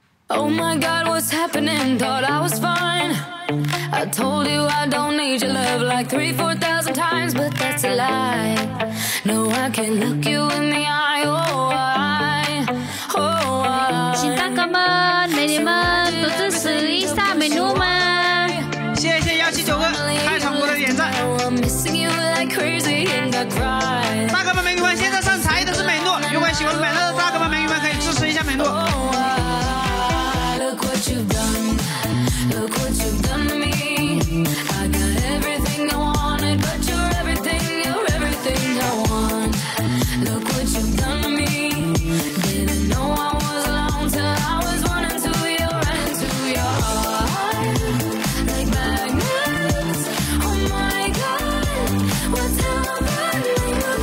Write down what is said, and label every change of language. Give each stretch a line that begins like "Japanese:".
English: Oh my god, what's happening? Thought I was fine. I told you I don't need your love like 3-4,000 times, but that's a lie. No, I can't look you in the eye. Oh, why? Oh, why?
Chinese: 请大哥们、美女们都支持一下美女们。谢谢179哥，太长哥的点赞。
English: I'm missing you like crazy and I cry.
Chinese: 大哥们、美女们，现在上台的是美女。如果喜欢美女的大哥们、美女们，可以支持一下美女。
English: Oh my god, what's happening?